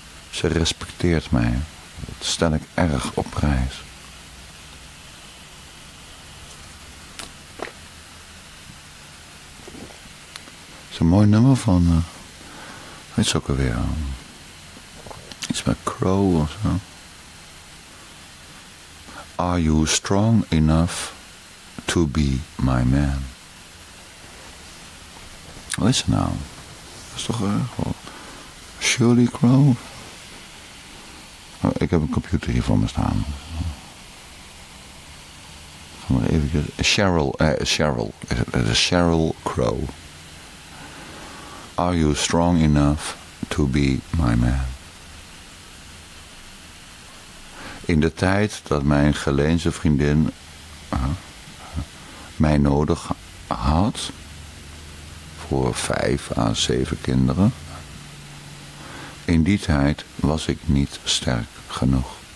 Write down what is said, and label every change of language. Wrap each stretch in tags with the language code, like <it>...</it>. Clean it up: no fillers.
<nl>Ze respecteert mij. Dat stel ik erg op prijs. Het is een mooi nummer van... Het is ook alweer iets met Crow of zo.</nl> <en>Are you strong enough to be my man?</en> <nl>Wat is het nou? Dat is toch Shirley Crow? Oh, ik heb een computer hier voor me staan. Ik ga maar even... Cheryl. Het is Cheryl Crow.</nl> <en>Are you strong enough to be my man?</en> <nl>In de tijd dat mijn Geleense vriendin mij nodig had voor 5 à 7 kinderen, in die tijd was ik niet sterk genoeg.</nl>